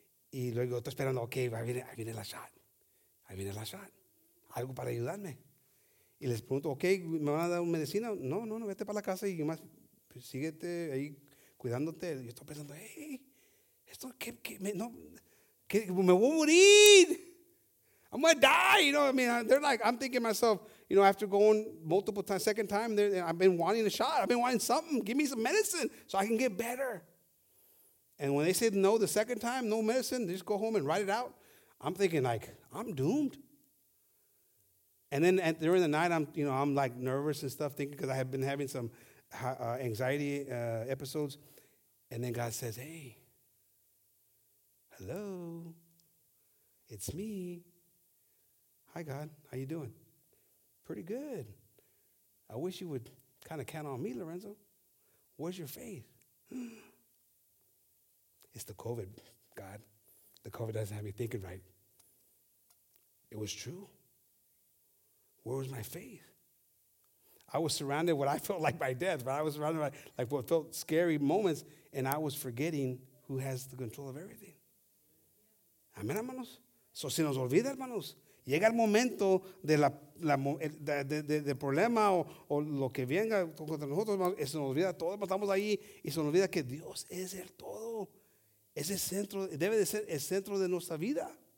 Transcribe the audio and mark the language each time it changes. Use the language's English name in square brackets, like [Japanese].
[Spanish] Y luego estoy esperando, ok, ahí viene la shot. Ahí viene la shot. Algo para ayudarme. Y les pregunto, ok, ¿me van a dar una medicina? No, vete para la casa y más, pues, síguete ahí cuidándote. Y yo estoy pensando, hey, esto, ¿qué, me voy a morir? [English] I'm going to die. You know what I mean? They're like, I'm thinking to myself, you know, after going multiple times, second time, I've been wanting a shot. I've been wanting something. Give me some medicine so I can get better. And when they said no the second time, no medicine, they just go home and write it out. I'm thinking, like, I'm doomed. And then during the night, I'm like nervous and stuff, thinking because I have been having some anxiety episodes. And then God says, hey, hello, it's me. Hi, God, how you doing? Pretty good. I wish you would kind of count on me, Lorenzo. Where's your faith? It's the COVID, God. The COVID doesn't have me thinking right. It was true. Where was my faith? I was surrounded what I felt like by death, but I was surrounded by like what felt scary moments, and I was forgetting who has the control of everything. [Spanish] Amen, hermanos. So si nos olvida, hermanos, llega el momento de del problema o lo que venga contra nosotros, hermanos, se nos olvida todo. Estamos ahí y se nos olvida que Dios es el todo. Es el centro, debe de ser el centro de nuestra vida.